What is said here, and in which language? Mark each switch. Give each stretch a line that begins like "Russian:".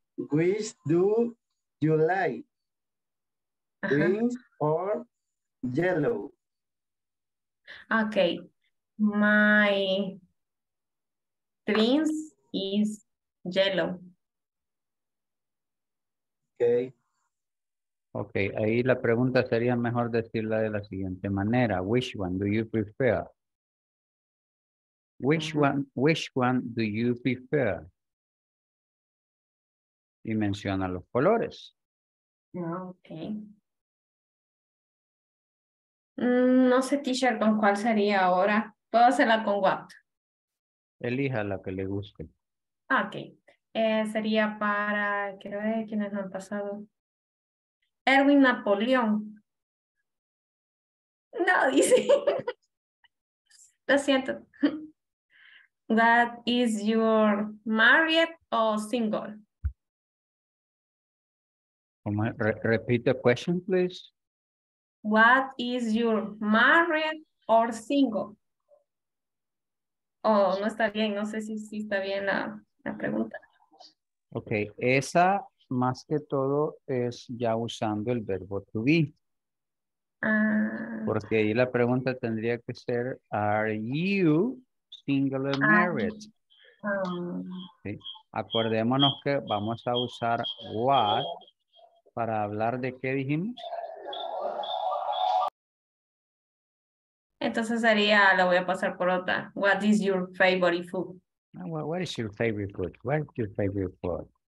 English: which do you like, green or yellow? Okay, my dreams is yellow. Okay,
Spanish: ahí la pregunta sería mejor decirla de la siguiente manera.
English: Which one do you prefer? Which one do you prefer?
Spanish: Y menciona los colores.
English: Okay.
Spanish: No sé, teacher, con cuál sería ahora. ¿Puedo hacerla con what? Elija la que le guste. Ok. Sería para, quiero ver quiénes han pasado. Erwin Napoleón. No, dice. Lo siento.
English: ¿What is your married or single? Repeat the question, please. What is your married or single?
Spanish: Oh, no está bien. No sé si está bien la pregunta. Okay, esa más que todo es ya usando el verbo to be. Porque ahí la pregunta tendría que ser,
English: are you single or married?
Spanish: Sí. Acordémonos que vamos a usar what para hablar de qué dijimos. Entonces sería, la voy a pasar por otra.
English: What is your favorite food? What is your favorite food? What is your favorite food?